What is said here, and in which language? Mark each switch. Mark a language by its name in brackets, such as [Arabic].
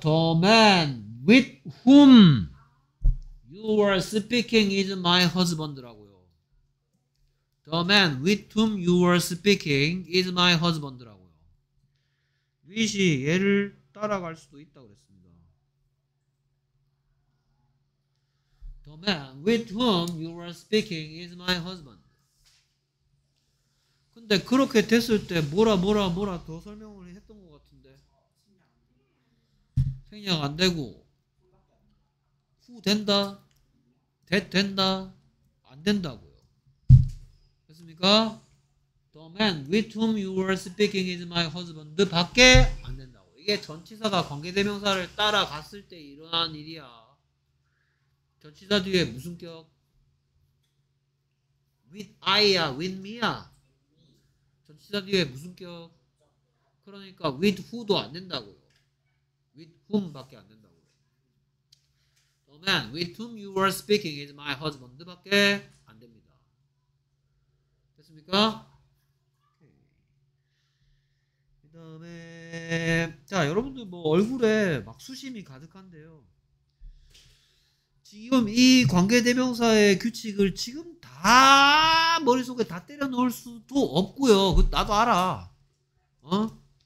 [English] The man with whom you were speaking is my husband라고요. The man with whom you were speaking is my husband라고요. [Korean] 윗이 얘를 따라갈 수도 있다고 그랬습니다. [English] The man with whom you were speaking is my husband. [Korean] 근데 그렇게 됐을 때 뭐라 더 설명을 했던 것 같은데. 생략 안 되고 후 된다? 된다? 안 된다고요. 됐습니까? [English] The man with whom you were speaking is my husband [Korean] 밖에 안 된다고. 이게 전치사가 관계대명사를 따라갔을 때 일어난 일이야. 전치사 뒤에 무슨 격? [English] With I [Korean] 야, [English] with me [Korean] 야. 전치사 뒤에 무슨 격? 그러니까 with who도 안 된다고요. with whom 밖에 안 된다고요. [English] The man with whom you were speaking is my husband [Korean] 밖에 안 됩니다. 됐습니까? 그 다음에 자, 여러분들 뭐 얼굴에 막 수심이 가득한데요. 지금 이 관계대명사의 규칙을 지금 다 머릿속에 다 때려넣을 수도 없고요. 그것 나도 알아. 어?